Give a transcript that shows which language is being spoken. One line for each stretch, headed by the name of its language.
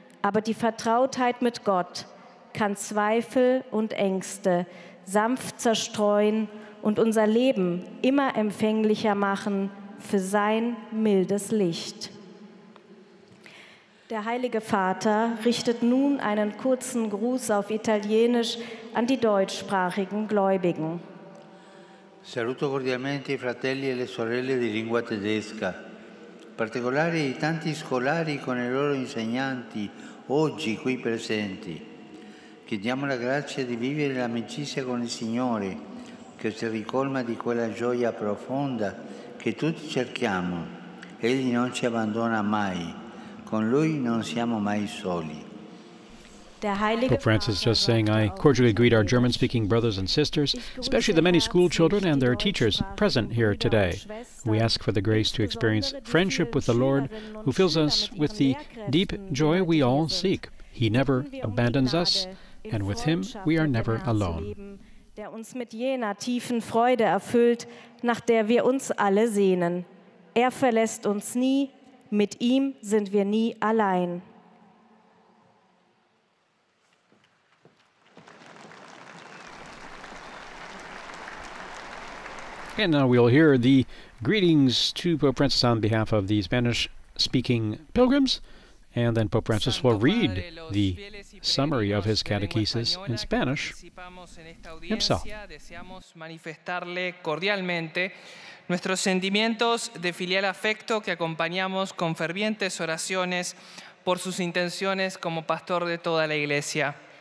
German: Aber die Vertrautheit mit Gott kann Zweifel und Ängste sanft zerstreuen und unser Leben immer empfänglicher machen für sein mildes Licht. Der Heilige Vater richtet nun einen kurzen Gruß auf Italienisch an die deutschsprachigen Gläubigen.
Italian: Saluto cordialmente i fratelli e le sorelle di lingua tedesca, particolari i tanti scolari con i loro insegnanti oggi qui presenti. Chiediamo la grazia di vivere l'amicizia con il Signore, che si ricolma di quella gioia profonda che tutti cerchiamo. Egli non ci abbandona mai. Con lui non siamo mai soli.
English: Pope Francis just saying, I cordially greet our German-speaking brothers and sisters, especially the many school children and their teachers present here today. We ask for the grace to experience friendship with the Lord, who fills us with the deep joy we all seek. He never abandons us, and with him we are never alone.
German: Der uns mit jener tiefen Freude erfüllt, nach der wir uns alle sehnen. Verlässt uns nie, mit ihm sind wir nie allein.
English: And now we'll hear the greetings to Pope Francis on behalf of the Spanish-speaking pilgrims, and then Pope Francis will read the summary of his catechesis in Spanish himself.
Spanish: Deseamos manifestarle cordialmente nuestros sentimientos de filial afecto que acompañamos con fervientes oraciones por sus intenciones como pastor de toda la Iglesia.